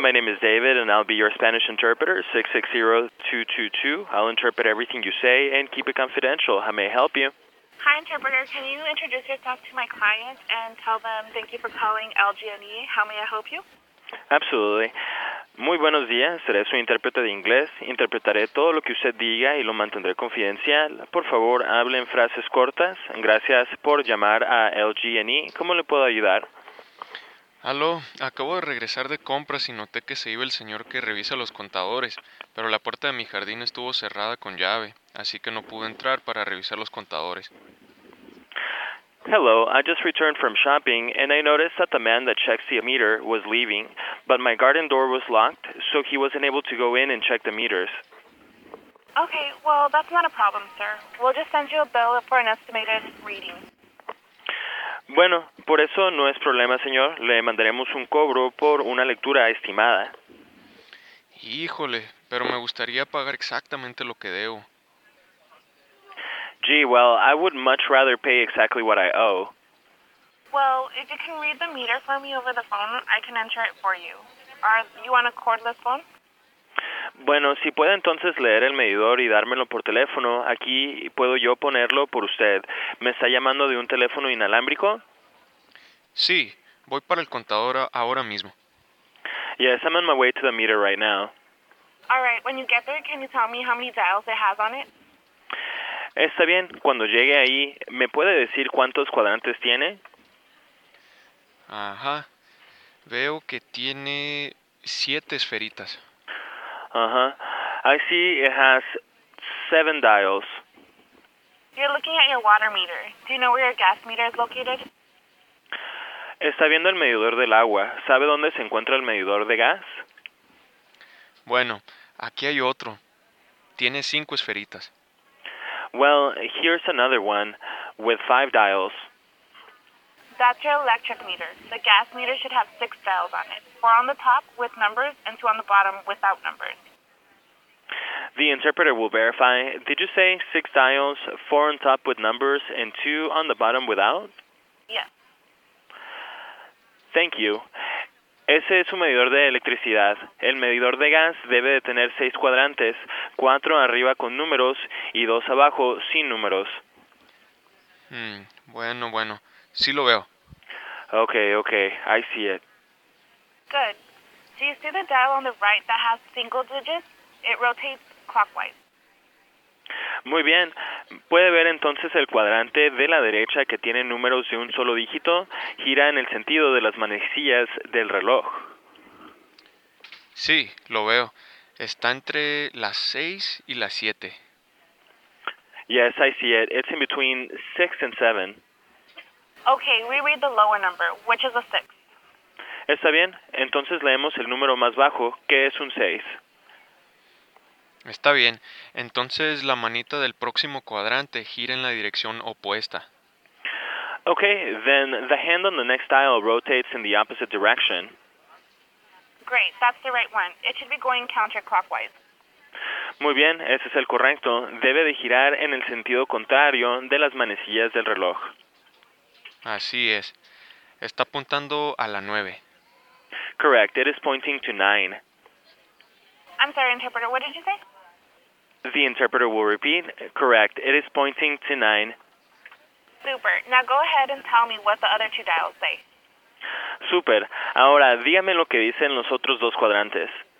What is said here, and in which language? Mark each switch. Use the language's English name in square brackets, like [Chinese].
[English] My name is David, and I'll be your Spanish interpreter, 660-222. I'll interpret everything you say and keep it confidential. How may I help you? Hi, interpreter. Can you introduce yourself to my client and tell them thank you for calling LGNE? How may I help you? Absolutely. [Spanish] Muy buenos días. Seré su intérprete de inglés. Interpretaré todo lo que usted diga y lo mantendré confidencial. Por favor, hable en frases cortas. Gracias por llamar a LGNE. ¿Cómo le puedo ayudar? Aló, acabo de regresar de compras y noté que se iba el señor que revisa los contadores, pero la puerta de mi jardín estuvo cerrada con llave, así que no pude entrar para revisar los contadores. [English] Hello, I just returned from shopping and I noticed that the man that checks the meter was leaving, but my garden door was locked, so he wasn't able to go in and check the meters. Okay, well, that's not a problem, sir. We'll just send you a bill for an estimated reading. [Spanish] Bueno, por eso no es problema, señor. Le mandaremos un cobro por una lectura estimada. Híjole, pero me gustaría pagar exactamente lo que debo. [English] Gee, well, I would much rather pay exactly what I owe. Well, if you can read the meter for me over the phone, I can enter it for you. You want a cordless phone? [Spanish] Bueno, si puede entonces leer el medidor y dármelo por teléfono, aquí puedo yo ponerlo por usted. ¿Me está llamando de un teléfono inalámbrico? Sí, voy para el contador ahora mismo. [English] Yes, I'm on my way to the meter right now. Alright, when you get there, can you tell me how many dials it has on it? [Spanish] Está bien, cuando llegue ahí, ¿me puede decir cuántos cuadrantes tiene? Ajá, veo que tiene 7 esferitas. [English] I see it has 7 dials. You're looking at your water meter. Do you know where your gas meter is located? [Spanish] Está viendo el medidor del agua. ¿Sabe dónde se encuentra el medidor de gas? Bueno, aquí hay otro. Tiene 5 esferitas. [English] Well, here's another one with 5 dials. That's your electric meter. The gas meter should have 6 dials on it. 4 on the top with numbers and 2 on the bottom without numbers. The interpreter will verify. Did you say 6 dials, 4 on top with numbers, and 2 on the bottom without? Yes. Thank you. [Spanish] Ese es su medidor de electricidad. El medidor de gas debe de tener 6 cuadrantes, 4 arriba con números y 2 abajo sin números. Bueno. Sí lo veo. [English] Okay. I see it. Good. Do you see the dial on the right that has single digits? It rotates clockwise. [Spanish] Muy bien. ¿Puede ver entonces el cuadrante de la derecha que tiene números de un solo dígito? Gira en el sentido de las manecillas del reloj. Sí, lo veo. Está entre las 6 y las 7. [English] Yes, I see it. It's in between 6 and 7. Okay, reread the lower number, which is a 6. [Spanish] Está bien. Entonces leemos el número más bajo, que es un 6. Está bien. Entonces la manita del próximo cuadrante gira en la dirección opuesta. [English] Okay, then the hand on the next dial rotates in the opposite direction. Great, that's the right one. It should be going counterclockwise. [Spanish] Muy bien, ese es el correcto. Debe de girar en el sentido contrario de las manecillas del reloj. Así es. Está apuntando a la 9. [English] Correct, it is pointing to 9. I'm sorry, interpreter, what did you say? The interpreter will repeat. Correct. It is pointing to 9. Super. Now go ahead and tell me what the other 2 dials say. [Spanish] Super. Ahora, dígame lo que dicen los otros 2 cuadrantes.